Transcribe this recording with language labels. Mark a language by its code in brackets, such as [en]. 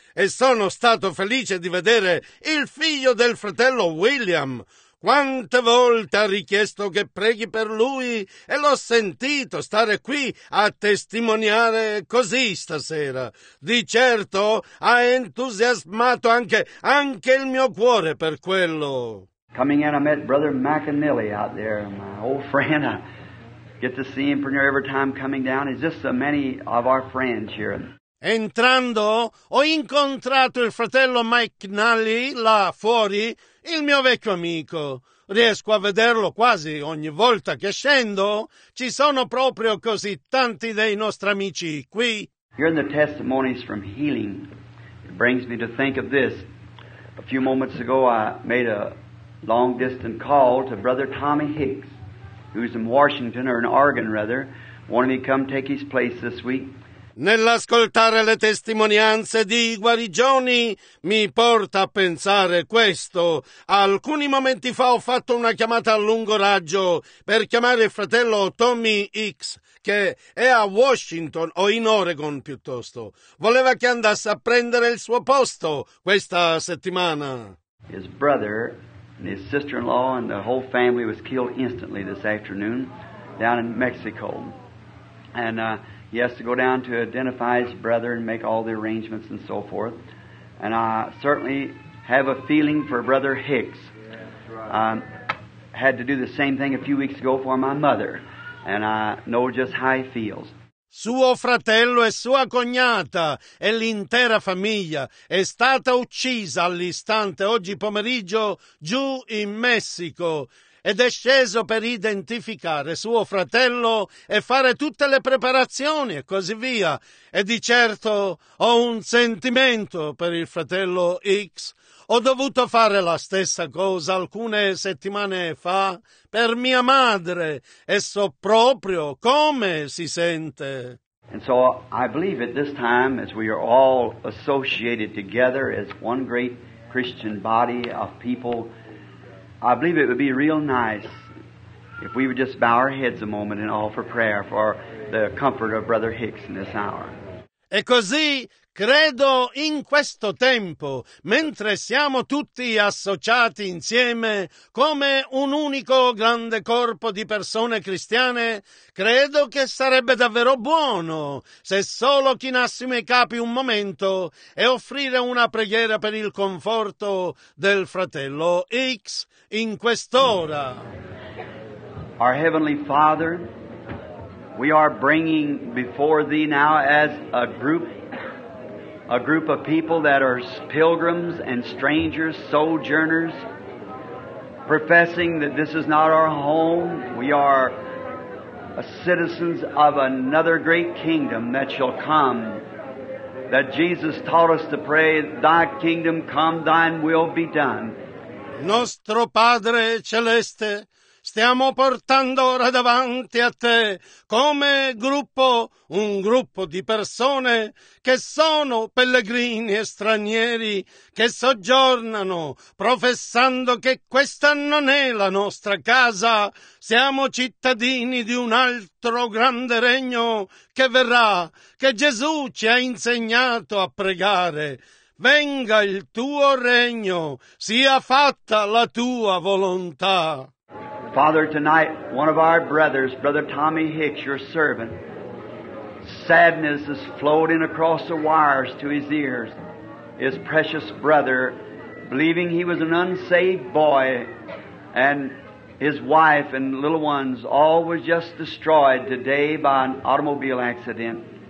[it] E sono stato felice di vedere il figlio del fratello William. Quante volte ha richiesto che preghi per lui e l'ho sentito stare qui a testimoniare così stasera. Di certo ha entusiasmato anche il mio cuore per quello. [en] Coming in, I met brother McAnally out there, my old friend. I get to see him pretty near every time coming down. He's just so many of our friends here. [it] Entrando, ho incontrato il fratello McNally là fuori, il mio vecchio amico. Riesco a vederlo quasi ogni volta che scendo. Ci sono proprio così tanti dei nostri amici qui. [en] Hearing the testimonies from healing, it brings me to think of this. A few moments ago, I made a long-distance call to brother Tommy Hicks, who's in Washington, or in Oregon, rather, wanted me to come take his place this week. [it] Nell'ascoltare le testimonianze di guarigioni mi porta a pensare questo. Alcuni momenti fa ho fatto una chiamata a lungo raggio per chiamare il fratello Tommy X, che è a Washington o in Oregon piuttosto. Voleva che andasse a prendere il suo posto questa settimana. [en] His brother and his sister-in-law and the whole family was killed instantly this afternoon down in Mexico. And he has to go down to identify his brother and make all the arrangements and so forth. And I certainly have a feeling for Brother Hicks. I had to do the same thing a few weeks ago for my mother, and I know just how he feels. [it] Suo fratello e sua cognata e l'intera famiglia è stata uccisa all'istante oggi pomeriggio giù in Messico. Ed è sceso per identificare suo fratello e fare tutte le preparazioni e così via. E di certo ho un sentimento per il fratello X. Ho dovuto fare la stessa cosa alcune settimane fa per mia madre e so proprio come si sente. [en] And so I believe at this time, as we are all associated together as one great Christian body of people, I believe it would be real nice if we would just bow our heads a moment and offer prayer for the comfort of Brother Hicks in this hour. [it] E così credo in questo tempo, mentre siamo tutti associati insieme come un unico grande corpo di persone cristiane, credo che sarebbe davvero buono se solo chinassimo i capi un momento e offrire una preghiera per il conforto del fratello X in quest'ora. [en] Our Heavenly Father, we are bringing before Thee now as a group of people that are pilgrims and strangers, sojourners, professing that this is not our home. We are citizens of another great kingdom that shall come, that Jesus taught us to pray, Thy kingdom come, Thine will be done. [it] Nostro Padre Celeste, stiamo portando ora davanti a Te come gruppo, un gruppo di persone che sono pellegrini e stranieri, che soggiornano professando che questa non è la nostra casa, siamo cittadini di un altro grande regno che verrà, che Gesù ci ha insegnato a pregare. Venga il Tuo regno, sia fatta la Tua volontà. [en] Father, tonight, one of our brothers, Brother Tommy Hicks, your servant, sadness is floating across the wires to his ears. His precious brother, believing he was an unsaved boy, and His wife and little ones all was just destroyed today by an automobile accident.